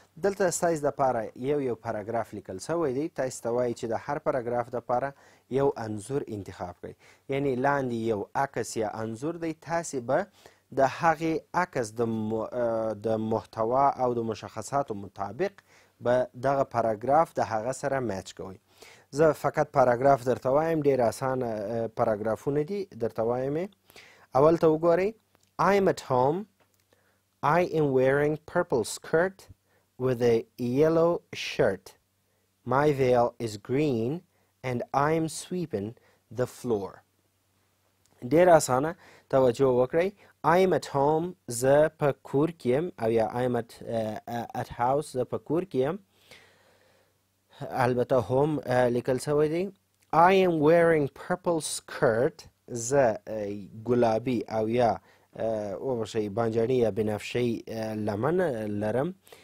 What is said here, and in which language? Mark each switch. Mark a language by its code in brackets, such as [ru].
[ps] دلته سایز د پاره یو یو پاراګراف لیکل شوی دی. تاسو ته وایي چې د هر پاراګراف د پاره یو انځور انتخاب کړئ، یعنی لاندې یو عکس یا انځور دی. تاسو به د هغې عکس د محتوا او د مشخصاتو مطابق به دغه پاراګراف د هغه سره میچ کوي. زه فقط پاراګراف درته وایم، ډېر اسانه پاراګرافونه دي درته وایم. اول ته وګورئ. [en] I am at home. I am wearing purple skirt with a yellow shirt. My veil is green and I am sweeping the floor. [ps] ډېر اسانه، توجه وکړئ. [en] I am at home, [ps] زه په کور کې یم، او یا [en] I am at house, [ps] زه په کور کې یم. البته هم لیکل شوی دی. [en] I am wearing purple skirt, [ps] زه ګلابي او یا اوبشي بنجاني یا بنفشي لمن لرم.